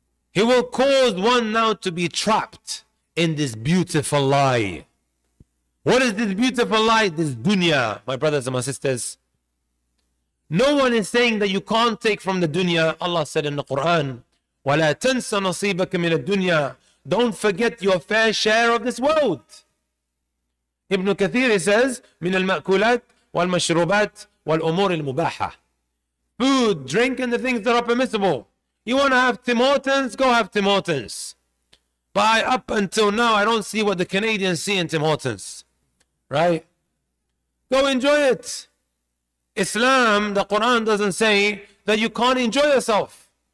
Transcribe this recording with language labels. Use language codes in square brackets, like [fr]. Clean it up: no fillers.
[en] He will cause one now to be trapped in this beautiful lie. What is this beautiful lie? This dunya, my brothers and my sisters. No one is saying that you can't take from the dunya. Allah said in the Quran, [ar] وَلَا تَنْسَ نَصِيبَكَ مِنَ الدُّنْيَا. [en] Don't forget your fair share of this world. Ibn Kathir says, [ar] مِنَ الْمَأْكُولَاتِ وَالْمَشْرُوبَاتِ وَالْأُمُورِ الْمُبَاحَةِ. [en] Food, drink, and the things that are permissible. You want to have Tim Hortons? Go have Tim Hortons. But up until now, I don't see what the Canadians see in Tim Hortons. Right? Go enjoy it. Islam, the Quran doesn't say that you can't enjoy yourself.